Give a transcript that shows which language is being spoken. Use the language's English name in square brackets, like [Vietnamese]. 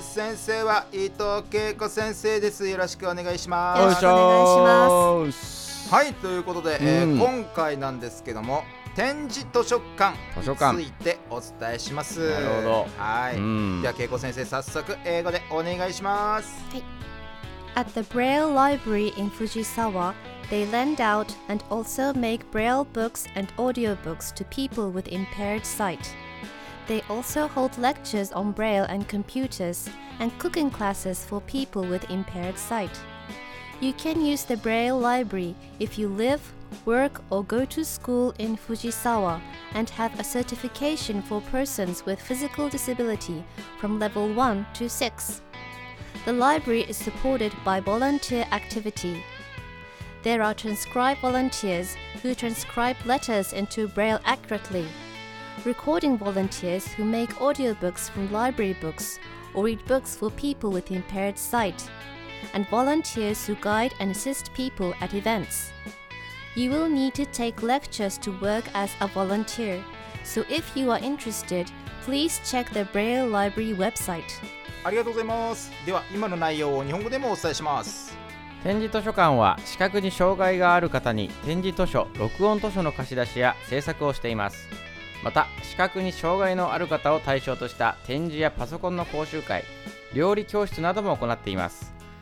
[Japanese] 先生は伊藤恵子先生です。よろしくお願いします。よろしくお願いします。はい、ということで、今回なんですけども、展示図書館についてお伝えします。なるほど。はい、では恵子先生、早速英語でお願いします。はい。 [English] At the Braille Library in Fujisawa, they lend out and also make Braille books and audiobooks to people with impaired sight. They also hold lectures on Braille and computers and cooking classes for people with impaired sight. You can use the Braille Library if you liveWork or go to school in Fujisawa and have a certification for persons with physical disability from level 1 to 6. The library is supported by volunteer activity. There are transcribe volunteers who transcribe letters into Braille accurately, recording volunteers who make audiobooks from library books or read books for people with impaired sight, and volunteers who guide and assist people at events. You will need to take lectures to work as a volunteer. So if you are interested, please check the Braille Library website. [Japanese] ありがとうございます。では今の内容を日本語でもお伝えします。展示図書館は視覚に障害がある方に展示図書、録音図書の貸し出しや制作をしています。また視覚に障害のある方を対象とした展示やパソコンの講習会、料理教室なども行っています。